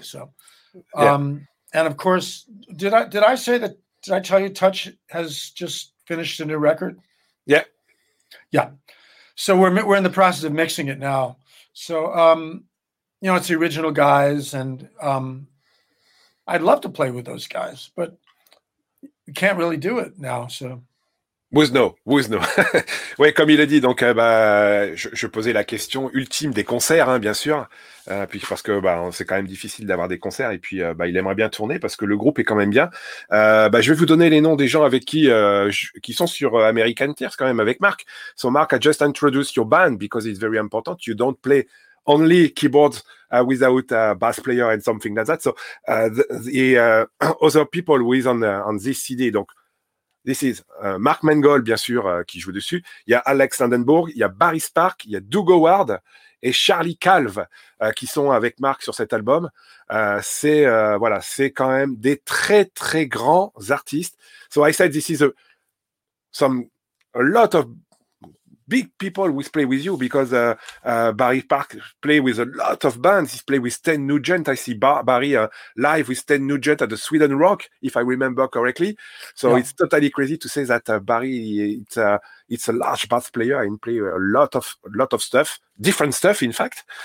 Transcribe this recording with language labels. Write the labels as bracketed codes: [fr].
[en] So, and of course, did I tell you Touch has just finished a new record? Yeah. Yeah. So we're in the process of mixing it now. So, you know, it's the original guys, and I'd love to play with those guys, but we can't really do it now, so. Wuzno. [fr] Oui, comme il a dit, donc je posais la question ultime des concerts, hein, bien sûr, puis parce que c'est quand même difficile d'avoir des concerts, et puis il aimerait bien tourner parce que le groupe est quand même bien. Je vais vous donner les noms des gens avec qui sont sur American Tears quand même, avec Marc. [en] So Marc, I just introduced your band because it's very important. You don't play only keyboards without a bass player and something like that. So the other people who is on this CD, donc This is [fr] Mark Mangold, bien sûr, qui joue dessus. Il y a Alex Lindenborg, il y a Barry Spark, il y a Doug Howard et Charlie Calve qui sont avec Mark sur cet album. C'est quand même des très, très grands artistes. [en] So I said this is a lot of big people who play with you, because Barry Park play with a lot of bands. He's play with 10 Nugent. I see Barry live with 10 Nugent at the Sweden Rock, if I remember correctly. So yeah. It's totally crazy to say that Barry, it's a large bass player and play a lot of stuff, different stuff, in fact.